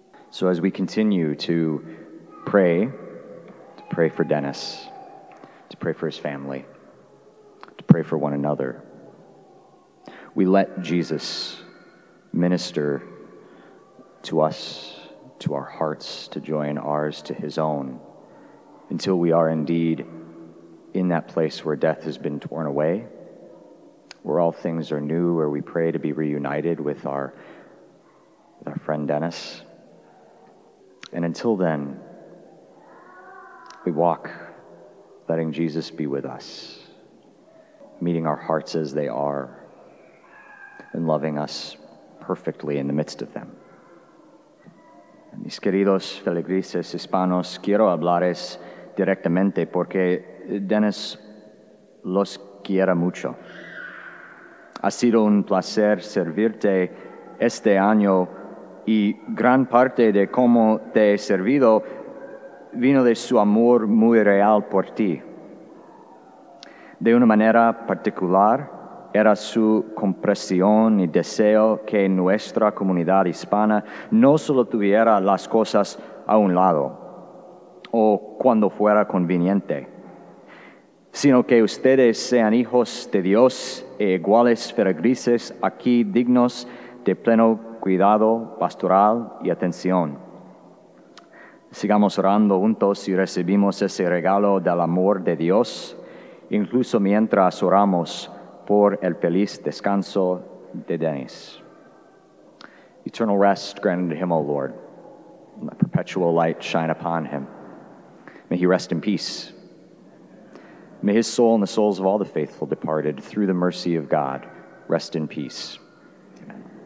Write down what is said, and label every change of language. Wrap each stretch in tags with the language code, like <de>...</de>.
<en>So as we continue to pray for Dennis, to pray for his family, to pray for one another, we let Jesus minister to us, to our hearts, to join ours to his own, until we are indeed in that place where death has been torn away, where all things are new, where we pray to be reunited with our friend Dennis. And until then, we walk, letting Jesus be with us, meeting our hearts as they are, and loving us perfectly in the midst of them.</en> <es>Mis queridos feligreses hispanos, quiero hablarles directamente porque Dennis los quiere mucho. Ha sido un placer servirte este año, y gran parte de cómo te he servido vino de su amor muy real por ti. De una manera particular, era su comprensión y deseo que nuestra comunidad hispana no solo tuviera las cosas a un lado o cuando fuera conveniente, sino que ustedes sean hijos de Dios e iguales feligreses aquí dignos de pleno cuidado pastoral y atención. Sigamos orando juntos y recibimos ese regalo del amor de Dios, incluso mientras oramos por el feliz descanso de Dennis.</es> <en>Eternal rest granted him, O Lord, and the perpetual light shine upon him. May he rest in peace. May his soul and the souls of all the faithful departed through the mercy of God rest in peace. Amen.</en>